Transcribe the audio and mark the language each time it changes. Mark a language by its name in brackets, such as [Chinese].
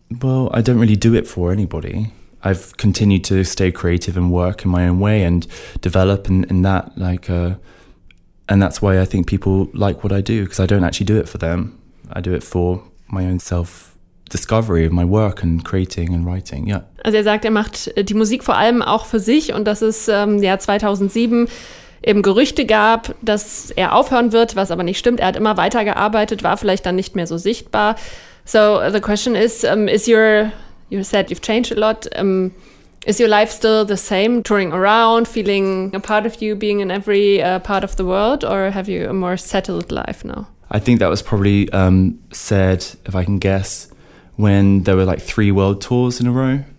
[English] Well, I don't really do it for anybody. I've continued to stay creative and work in my own way and develop, and that, like, and that's why I think people like what I do, because I don't actually do it for them. I do it for my own self. Discovery of my work and creating and writing, yeah. [German] Also er sagt, er macht die Musik vor allem auch für sich, und dass es 2007 eben Gerüchte gab, dass er aufhören wird, was aber nicht stimmt. Er hat immer weiter gearbeitet, war vielleicht dann nicht mehr so sichtbar. [English] So the question is you said you've changed a lot. Is your life still the same, touring around, feeling a part of you, being in every part of the world, or have you a more settled life now? I think that was probably said, if I can guess, when there were like three world tours in a row.